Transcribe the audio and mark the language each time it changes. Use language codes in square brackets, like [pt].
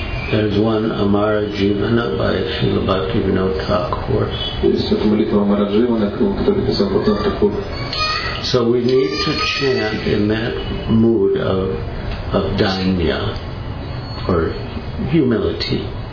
[en] There is one Amara Jivana by Śrīla Bhaktivinoda Thakur. [ru] Есть эта молитва Амара Дживана, которую писал Бхактивинода Тхакур. [en] So we need to chant in that mood of dānya or humility.